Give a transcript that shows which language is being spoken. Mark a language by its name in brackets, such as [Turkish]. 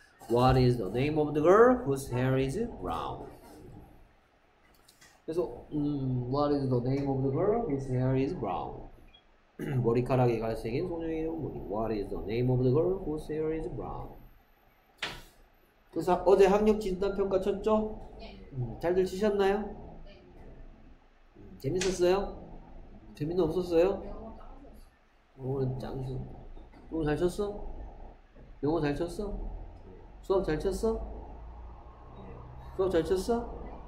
[English] What is the name of the girl whose hair is brown? [Korean] 그래서 [English] What is the name of the girl whose hair is brown? [Korean] 머리카락이 갈색인 소녀의 이름은 뭐니? [English] What is the name of the girl whose hair is brown? [Korean] 그래서 어제 학력 진단 평가 쳤죠? 네. 잘들 치셨나요? 재밌었어요? 재미는 없었어요? 영어는 짱이죠. 영어 잘 쳤어? 영어 잘 쳤어? 수업 잘 쳤어? 수업 잘 쳤어?